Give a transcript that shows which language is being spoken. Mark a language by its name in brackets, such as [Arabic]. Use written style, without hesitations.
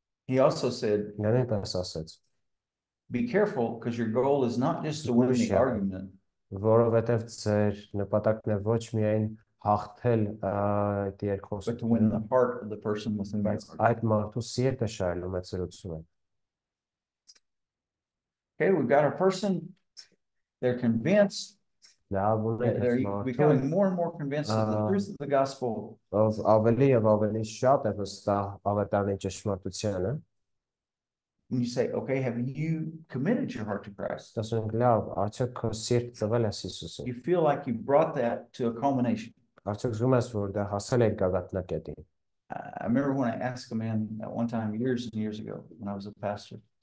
[English] He also said, be careful because your goal is not just to win the argument. [Armenian] Որովհետև ձեր նպատակն է ոչ միայն հաղթել այդ երկխոսությունը, այդ մարդու սիրտը շարելու մեծերությունը։ [English] Okay, we've got a person, they're convinced. They're becoming more and more convinced of the truth of the gospel. [Armenian] Of ավելի եւ ավելի շատ է վստահ ավետարանի ճշմարտությանը. [English] And you say, okay, have you committed your heart to Christ? You feel like you brought that to a culmination. I remember when I asked a man at one time, years and years ago, when I was a pastor.